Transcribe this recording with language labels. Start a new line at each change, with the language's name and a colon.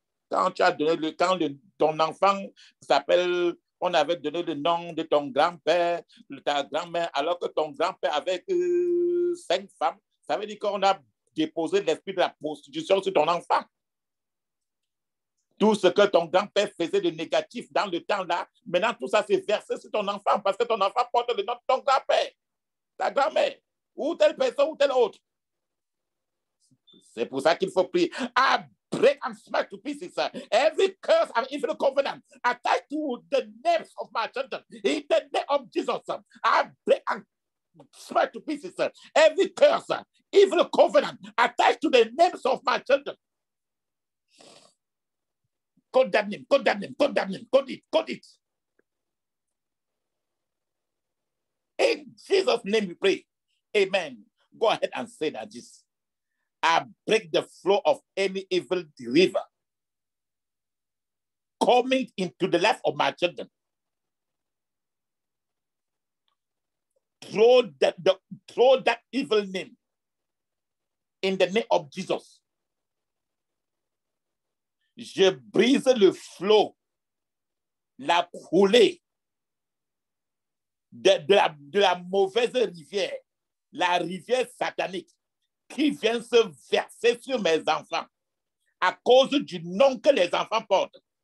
French: Quand tu as donné le, quand le, ton enfant s'appelle, on avait donné le nom de ton grand-père, de ta grand-mère, alors que ton grand-père avait 5 femmes, ça veut dire qu'on a déposé l'esprit de la prostitution sur ton enfant. Tout ce que ton grand-père faisait de négatif dans le temps-là, maintenant tout ça s'est versé sur ton enfant parce que ton enfant porte le nom de ton grand-père, ta grand-mère, ou telle personne ou telle autre. C'est pour ça qu'il faut prier.
English: Break and smash to pieces every curse and evil covenant attached to the names of my children in the name of Jesus. I break and smash to pieces every curse, evil covenant attached to the names of my children. Condemn him, condemn him, condemn him, code it in Jesus' name. We pray, amen. Go ahead and say that this. I break the flow of any evil river coming into the life of my children. Throw that evil name in the name of Jesus.
French: Je brise le flow, la coulée de la mauvaise rivière, la rivière satanique. Qui vient se verser sur mes enfants à cause du nom que les enfants portent.